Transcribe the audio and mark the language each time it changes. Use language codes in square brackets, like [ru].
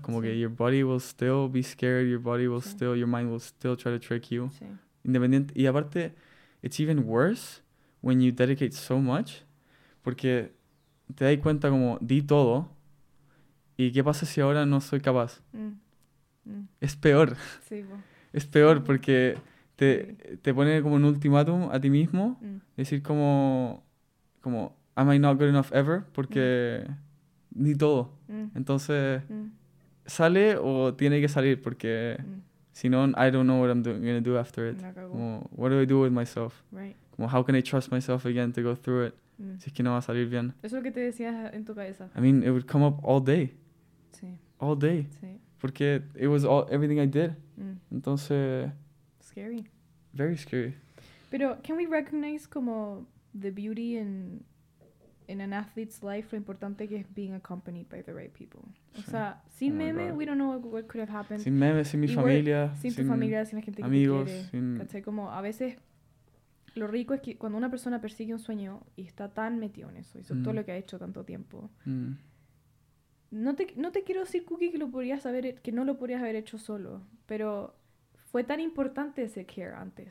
[es] Como que [en] your body will still be scared, your body will still, your mind will still try to trick you. [es] Sí. Independiente. Y aparte, [en] it's even worse when you dedicate so much. [es] Porque te das cuenta como, di todo. ¿Y qué pasa si ahora no soy capaz? Es peor. Sí, bo. Es peor porque te pone como un ultimátum a ti mismo. Decir como, [en] am I not good enough ever? [es] Porque... ni todo. Entonces, ¿sale o tiene que salir? Porque si no, [en] I don't know what I'm going to do after it. Como, what do I do with myself? Right. Como, how can I trust myself again to go through it? [es] Si es que no va a salir bien. Eso es lo que te decías en tu cabeza. [en] I mean, it would come up all day. [es] Sí. [en] All day. [es] Sí. Porque [en] it was all everything I did. [es] Entonces... [en] scary. Very scary. [es] Pero, [en] can we recognize [es] como [en] the beauty in... in an athlete's life, [es] lo importante que es [en] being accompanied by the right people. [es] Sí. O sea, sin meme, [en] we don't know what could have happened. [es] Sin meme, sin mi familia. Sin tu familia, sin la gente amigos, que te quiere. Amigos, ¿cachai? Como, a veces, lo rico es que cuando una persona persigue un sueño y está tan metido en eso, hizo todo lo que ha hecho tanto tiempo. No te quiero decir, Cookie, que lo podrías haber, que no lo podrías haber hecho solo, pero... fue tan importante ese care antes.